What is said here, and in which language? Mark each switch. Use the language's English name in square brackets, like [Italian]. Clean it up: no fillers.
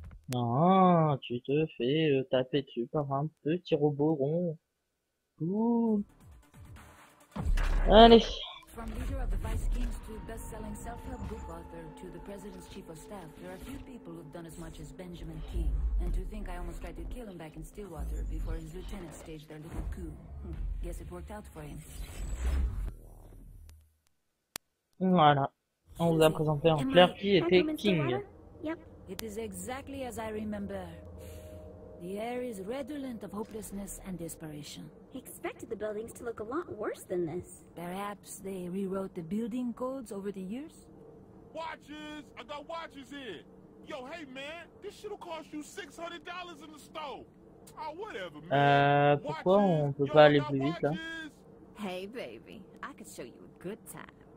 [French] Non, tu te fais taper dessus par un petit robot rond. Cool. Allez. [English] From leader of the Vice Kings to best-selling self-help book author to the president's chief of staff, there are few people who've done as much as Benjamin Key. And to think I almost tried to kill him back in Stillwater before his lieutenants staged their little coup. Guess it worked out for him. [French] Voilà. On vous a présenté en clair qui était King. [English] Yep. It is exactly as I remember. The air is redolent of hopelessness and desperation. He expected the buildings to look a lot worse than this. Perhaps they rewrote the building codes over the years? Watches! I got watches here! Yo, hey man, this shit'll cost you $600 in the store! Oh, whatever, man! [French] Pourquoi on peut pas aller plus vite, là? [English] Hey, baby, I could show you a good time.